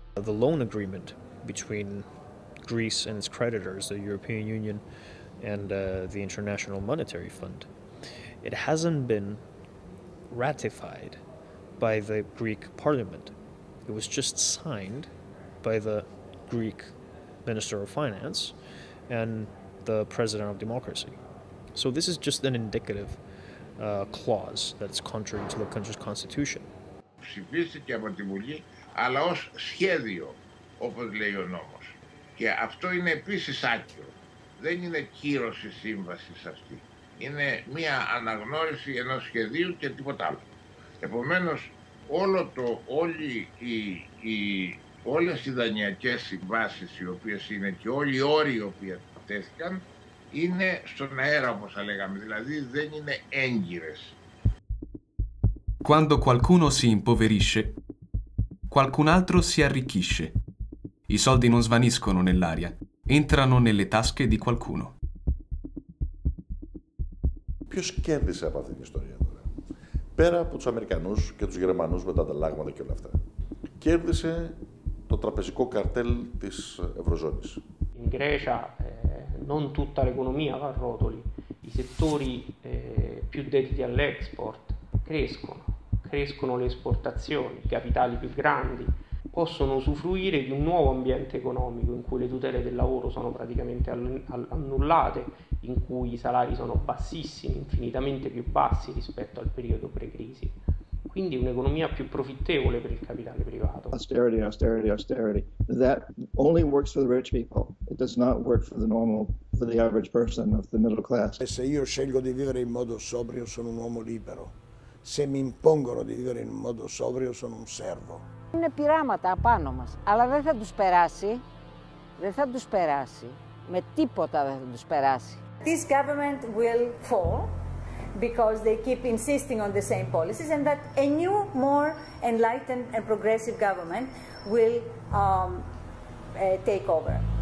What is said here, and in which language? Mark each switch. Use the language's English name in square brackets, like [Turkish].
[English] The loan agreement between Greece and its creditors, the European Union and the International Monetary Fund, it hasn't been ratified by the Greek parliament. It was just signed by the Greek Minister of Finance and the President of Democracy. So this is just an indicative clause that's contrary to the country's constitution. [Greek] Ψηφίστηκε από τη Βουλή, αλλά ως σχέδιο, όπως λέει ο νόμος. Και αυτό είναι επίσης άκυρο. Δεν είναι κύρωση σύμβασης αυτή. Είναι μία αναγνώριση ενός σχεδίου και τίποτα άλλο. Επομένως, όλες οι δανειακές συμβάσεις οι οποίες είναι και όλοι οι όροι οι οποίοι τέθηκαν είναι στον αέρα, όπως θα λέγαμε, δηλαδή δεν είναι έγκυρες. [Italian] Quando qualcuno si impoverisce, qualcun altro si arricchisce. I soldi non svaniscono nell'aria, entrano nelle tasche di qualcuno. [Greek] Ποιος κέρδισε από αυτή την ιστορία τώρα, πέρα από τους Αμερικανούς και τους Γερμανούς με τα ανταλλάγματα και όλα αυτά, κέρδισε το τραπεζικό καρτέλ της Ευρωζώνης. [Italian] In Grecia, non tutta l'economia va a rotoli. I settori più dediti all'export crescono le esportazioni, i capitali più grandi possono usufruire di un nuovo ambiente economico in cui le tutele del lavoro sono praticamente annullate, in cui i salari sono bassissimi, infinitamente più bassi rispetto al periodo pre-crisi. Quindi un'economia più profittevole per il capitale privato. [English] Austerity, austerity, austerity. That only works for the rich people. It does not work for the normal, for the average person of the middle class. [Italian] Se io scelgo di vivere in modo sobrio, sono un uomo libero. Se mi impongono di vivere in modo sobrio, sono un servo. [Greek] Είναι πειράματα απάνω μας, αλλά δεν θα τους περάσει. Δεν θα τους περάσει. Με τίποτα δεν θα τους περάσει. [English] This government will fall because they keep insisting on the same policies, and that a new, more enlightened and progressive government will take over.